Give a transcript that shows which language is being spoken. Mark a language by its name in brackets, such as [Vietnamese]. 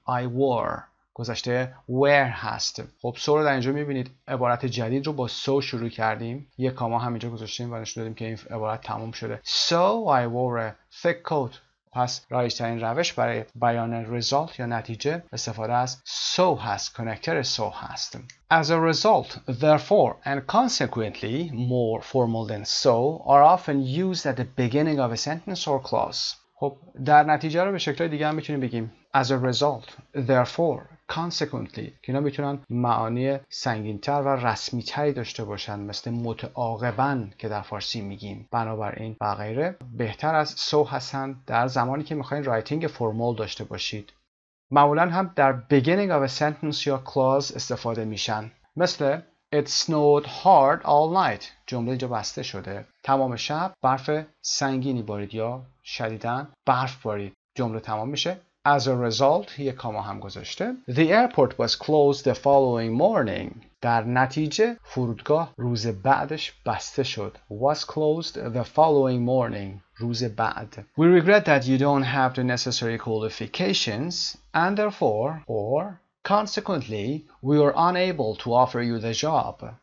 [English] I wore. [Persian] گذشته where هست. خب so رو در اینجا میبینید عبارت جدید رو با so شروع کردیم. یه کاما همینجا گذاشتیم و نشون دادیم که این عبارت تموم شده. [English] So I wore a thick coat. [Persian] پس رایج‌ترین روش برای بیان result یا نتیجه استفاده از so هست. کنکتر so هست. [English] As a result, therefore, and consequently, more formal than so are often used at the beginning of a sentence or clause. [Persian] خب در نتیجه رو به شکل‌های دیگه هم میتونیم بگیم. [English] As a result, therefore, consequently [Persian] که اینا میتونن معانی سنگین‌تر و رسمی‌تری داشته باشن مثل متعاقباً که در فارسی میگیم بنابراین و غیره بهتر از so هستن در زمانی که میخواین رایتینگ فرمال داشته باشید معمولاً هم در beginning of a sentence یا clause استفاده میشن مثل [English] It snowed hard all night [Persian] جمله اینجا بسته شده تمام شب برف سنگینی بارید یا شدیداً برف بارید جمله تمام میشه As a result, یه کاما هم گذاشته. [English] The airport was closed the following morning. [Persian] در نتیجه فرودگاه روز بعدش بسته شد. [English] Was closed the following morning. [Persian] روز بعد. [English] We regret that you don't have the necessary qualifications and therefore or consequently we are unable to offer you the job.